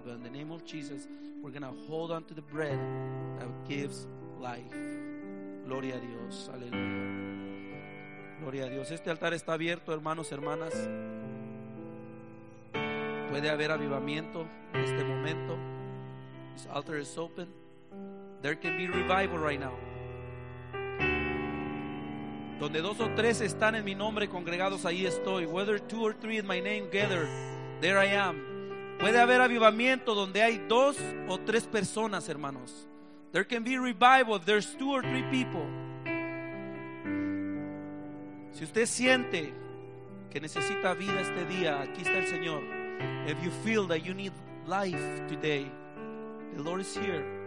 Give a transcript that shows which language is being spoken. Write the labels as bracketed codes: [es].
[en] But in the name of Jesus, we're going to hold on to the bread that gives life. [es] Gloria a Dios. Aleluya. Gloria a Dios. Este altar está abierto, hermanos, hermanas. Puede haber avivamiento en este momento. [en] This altar is open. There can be revival right now. [es] Donde dos o tres están en mi nombre congregados, ahí estoy. [en] Whether two or three in my name gather, there I am. [es] Puede haber avivamiento donde hay dos o tres personas, hermanos. [en] There can be revival if there's two or three people. [es] Si usted siente que necesita vida este día, aquí está el Señor. [en] If you feel that you need life today, the Lord is here.